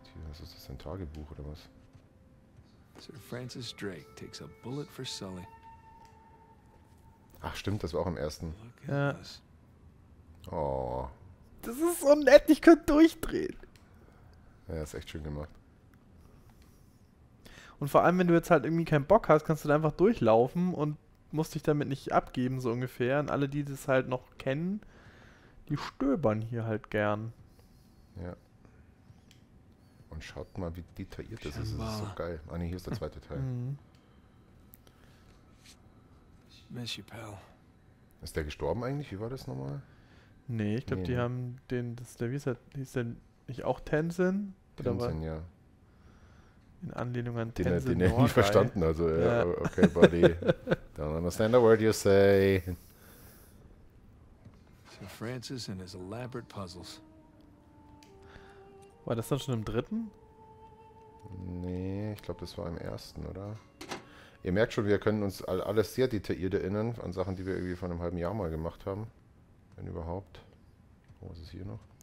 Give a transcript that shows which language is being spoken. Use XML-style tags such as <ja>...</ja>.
<de>Was ist das, ein Tagebuch oder was?</de> <en>Sir Francis Drake takes a bullet for Sully.</en> <de>Ach stimmt, das war auch im ersten. Ja. Oh. Das ist so nett, ich könnte durchdrehen. Ja, ist echt schön gemacht. Und vor allem, wenn du jetzt halt irgendwie keinen Bock hast, kannst du da einfach durchlaufen und musst dich damit nicht abgeben, so ungefähr. Und alle, die das halt noch kennen, die stöbern hier halt gern. Ja. Und schaut mal, wie detailliert das ist. Das ist so geil. Ah ne, hier ist der zweite Teil.</de> <en>Miss you, pal.</en> <de>Ist der gestorben eigentlich? Wie war das nochmal? Nee, ich glaube, die haben den, das ist der, wie hieß der nicht auch Tenzin? Tenzin, ja. In Anlehnung an Tenzin. Den er nie verstanden, also, yeah.</de> <en>Okay, buddy. Don't understand a word you say. So Francis and his elaborate puzzles.</en> <de>War das dann schon im dritten? Nee, ich glaube, das war im ersten, oder? Ihr merkt schon, wir können uns alles sehr detailliert erinnern an Sachen, die wir irgendwie vor einem halben Jahr mal gemacht haben. Wenn überhaupt. Wo ist es hier noch?</de>